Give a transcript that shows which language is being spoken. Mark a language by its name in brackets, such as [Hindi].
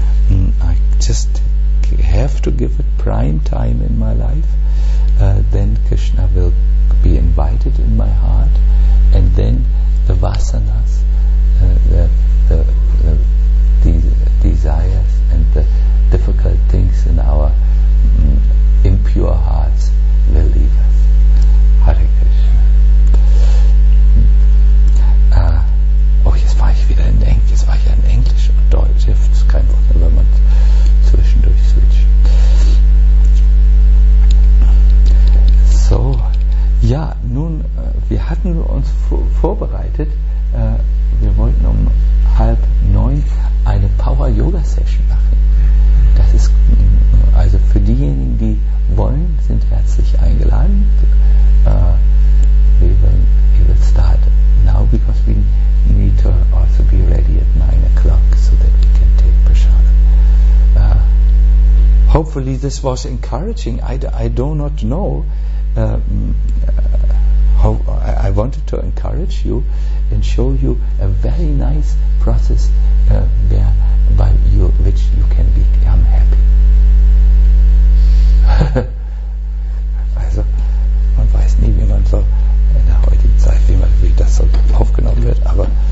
[English] I just have to give it prime time in my life, then Krishna will be invited in my heart, and then the vasanas, the desires and the difficult things in our impure hearts will leave us. Hare Krishna. [German] Oh, jetzt war ich wieder in Englisch. Jetzt war ich ja in Englisch und Deutsch. Das ist kein Wunder, wenn man zwischendurch switcht. So, ja, nun, wir hatten uns vorbereitet. Wir wollten um 8:30 eine Power-Yoga-Session machen. Das ist also für diejenigen, die wollen, sind herzlich eingeladen. [English] We will start now because we need to also be ready at 9:00 so that we can take prasadam. Hopefully this was encouraging. I do not know. I wanted to encourage you and show you a very nice process there by you, which you can become happy. [German] Also, man weiß nie, wie man so in der heutigen Zeit, wie das so aufgenommen wird, aber.